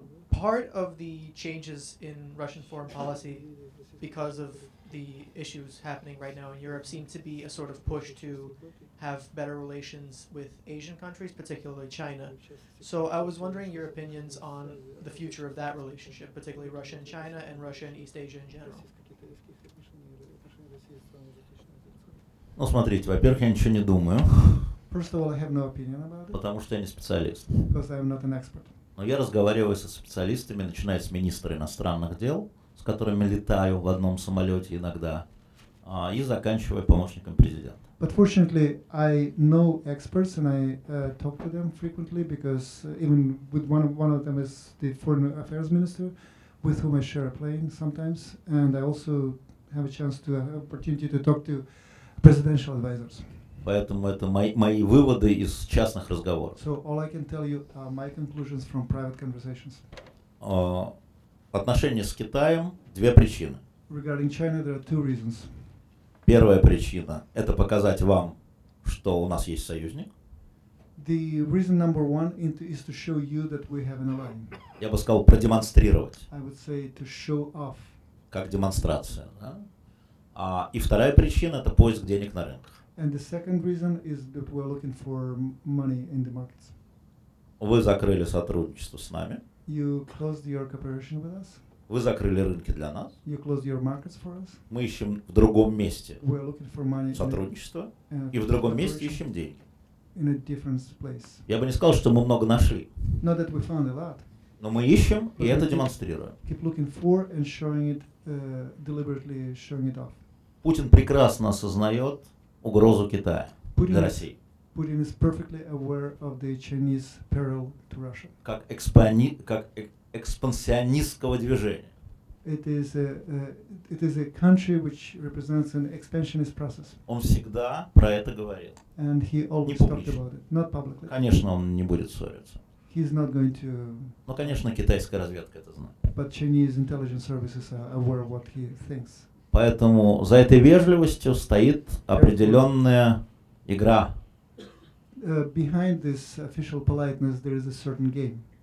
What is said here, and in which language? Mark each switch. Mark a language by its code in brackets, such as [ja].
[en] Part of the changes in Russian foreign policy because of the issues happening right now in Europe seem to be a sort of push to have better relations with Asian countries, particularly China. So I was wondering your opinions on the future of that relationship, particularly Russia and China and Russia and East Asia in general. [ru] Ну, смотрите, во-первых, я ничего не думаю. [en] First of all, I have no opinion about it. [ru] Потому что я не специалист. [en] Because I'm not an expert. [ru] Но я разговариваю со специалистами, начиная с министра иностранных дел, с которыми летаю в одном самолете иногда, и заканчивая помощником президента. [en] But fortunately, I know experts and I talk to them frequently because even with one of them is the foreign affairs minister, with whom I share a plane sometimes, and I also have a chance to have opportunity to talk to presidential advisors. [ru] Поэтому это мои выводы из частных разговоров. [en] So all I can tell you are my conclusions from private conversations. [ru] Отношения с Китаем – две причины. [en] Regarding China, there are two reasons. [ru] Первая причина – это показать вам, что у нас есть союзник. [en] The reason number one is to show you that we have an ally. [ru] Я бы сказал, продемонстрировать. [en] I would say to show off. [ru] Как демонстрация. Да? И вторая причина – это поиск денег на рынках. [en] And the second reason is that we're looking for money in the markets. [ru] Вы закрыли сотрудничество с нами. [en] You closed your cooperation with us. [ru] Вы закрыли рынки для нас. [en] You closed your markets for us. [ru] Мы ищем в другом месте. [en] We're looking for money. [ru] Сотрудничество. И в другом месте ищем деньги. [en] In a different place. [ru] Я бы не сказал, что мы много нашли. [en] Not that we found a lot. [ru] Но мы ищем и это демонстрируем. [en] Keep looking for and showing it deliberately, showing it off. [ru] Путин прекрасно осознает угрозу Китая для России. [en] Putin is perfectly aware of the Chinese peril to Russia. [ru] Как экспансионистского движения. [en] It is a country which represents an expansionist process. [ru] Он всегда про это говорил. [en] And he always talked about it, not publicly. [ru] Конечно, он не будет ссориться. [en] He's not going to. [ru] Но, конечно, китайская разведка это знает. [en] But Chinese intelligence services are aware of what he thinks. [ru] Поэтому за этой вежливостью стоит определенная игра. [en] Behind this official politeness there is a certain game.